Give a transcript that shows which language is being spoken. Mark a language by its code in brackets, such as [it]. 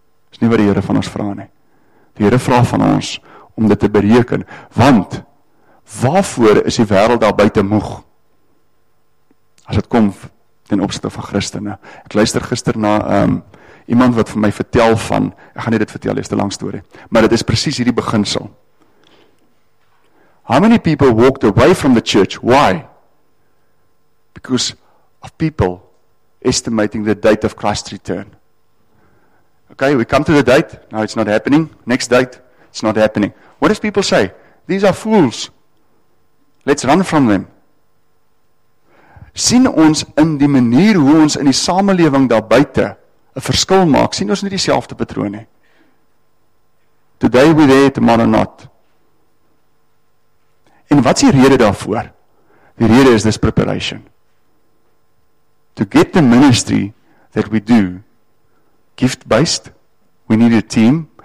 [af] Dis nie wat die Here van ons vra nie. Die Here vra van ons om dit te bereken, want waarvoor is die wêreld daar buite moeg as dit kom ten opsigte van Christene? Ek luister gister na iemand wat vir my vertel van, ek gaan nie dit vertel, dit is 'n lang storie, maar dit is presies hierdie beginsel. [en] How many people walked away from the church? Why? Because of people estimating the date of Christ's return. Okay, we come to the date, now it's not happening, next date, it's not happening. What does people say? These are fools. Let's run from them. [af] Sien ons in die manier hoe ons in die samelewing daar buite 'n verskil maak, sien ons nie dieselfde patroon nie. [en] Today we there, tomorrow not. [af] En wat is die rede daarvoor? Die rede is [en] this preparation. To get the ministry that we do gift-based, we need a team.